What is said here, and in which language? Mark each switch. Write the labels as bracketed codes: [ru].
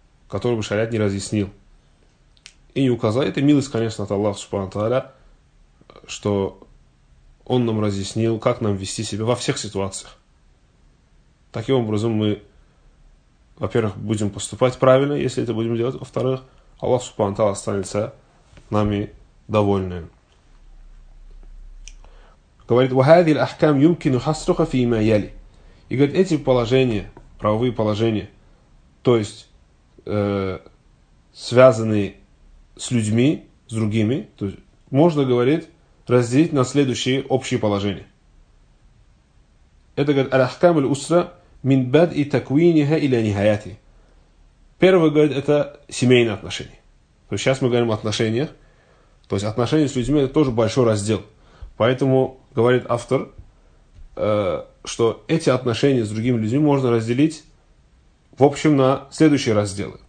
[ru] Который бы шариат не разъяснил и не указал. Это милость, конечно, от Аллаха Субхану Тааля, что он нам разъяснил, как нам вести себя во всех ситуациях. Таким образом, мы, во-первых, будем поступать правильно, если это будем делать, во-вторых, Аллах Субхану Тааля останется нами довольны. Говорит, [ar] وهذه الأحكام يمكن حصرها فيما يلي. [ru] И говорит, эти положения, правовые положения, то есть связанные с людьми, с другими, то есть можно, говорит, разделить на следующие общие положения. Это, говорит, [ar] الأحكام الأسرة من بدء تكوينها إلى نهايته. [ru] Первое, говорит, это семейные отношения. То есть сейчас мы говорим о отношениях. То есть отношения с людьми – это тоже большой раздел. Поэтому говорит автор, что эти отношения с другими людьми можно разделить, в общем, на следующие разделы.